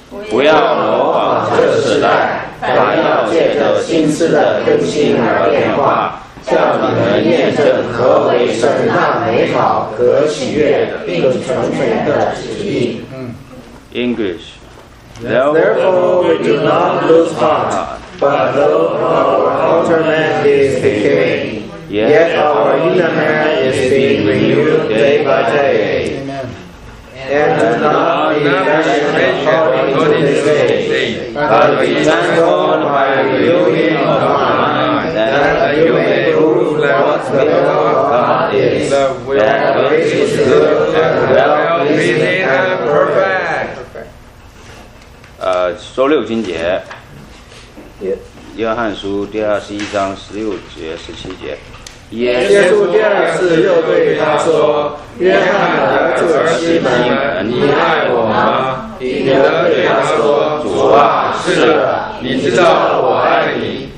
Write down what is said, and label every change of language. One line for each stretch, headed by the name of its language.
Chinese: 不要模仿这时代，凡要借着心思的更新而变化，叫你们验证何为神那美好、可喜悦、并纯全的旨意。
English: English. Therefore, we do not lose heart, but though our outer man is decaying. Yet our inner man is being renewed day by day. And do not body and spirit of this day, but be transformed by the renewing of our mind, that you may prove what the will of God is, that which is good and well-pleasing and perfect.
Chinese: 周六经节，约翰书第二十一章十六节、十七节。耶稣第二次又对他说：“约翰的儿子西门，你爱我吗？” 彼得对他说：“主啊，是的，你知道我爱你。”